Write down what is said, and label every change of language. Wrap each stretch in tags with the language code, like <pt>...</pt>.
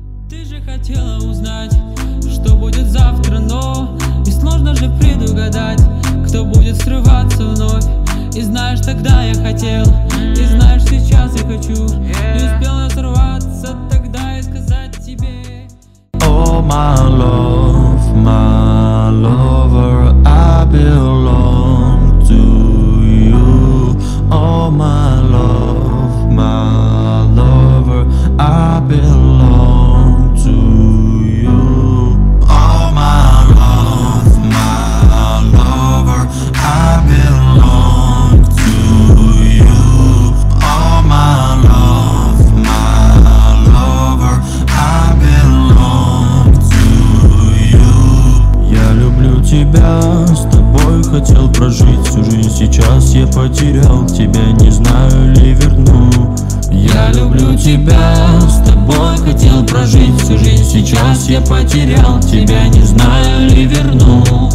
<ru>Ты же хотела узнать, что будет завтра, но и сложно же предугадать, кто будет срываться вновь. И знаешь, тогда я хотел, и знаешь, сейчас я хочу. Не успел я сорваться тогда и сказать тебе:</ru> <en>oh my love, my lover, I belong to you. Oh my love, my lover, I belong to you. Oh my love, my lover, I belong to you. Oh my love, my lover, I belong to you.</en> <ru>Я люблю тебя, с тобой хотел прожить всю жизнь. Сейчас я потерял тебя, не знаю ли верну. Я люблю тебя, с тобой хотел прожить всю жизнь. Сейчас я потерял тебя, не знаю ли верну.</ru>